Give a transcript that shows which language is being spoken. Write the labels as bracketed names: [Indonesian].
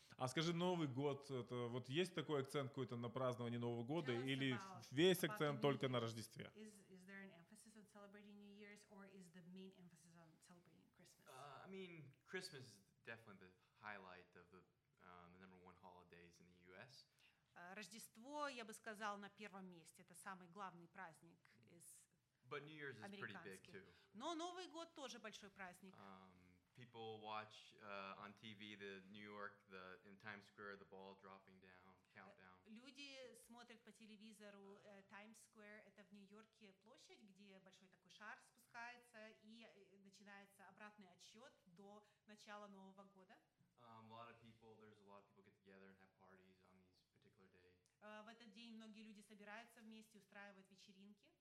[Russian] А скажи, Новый год, это, вот есть такой акцент какой-то на празднование Нового года или весь акцент только на Рождестве? [English] Is there an emphasis on celebrating New Year's or is the main emphasis on celebrating Christmas? Christmas? I mean, Christmas is definitely the highlight of the number one holidays in the U.S. [Russian] Рождество, я бы сказал, на первом месте. Это самый главный праздник из [English] But New Year's is pretty big, too. [Russian] Но Новый год тоже большой праздник. [English] People watch on TV the New York, the in Times Square, the ball dropping down, countdown. [Russian] Люди смотрят по телевизору Times Square. Это в Нью-Йорке площадь, где большой такой шар спускается, и начинается обратный отсчет до начала Нового года. [English] There's a lot of people get together and have parties on these particular days. [Russian] В этот день многие люди собираются вместе, устраивают вечеринки.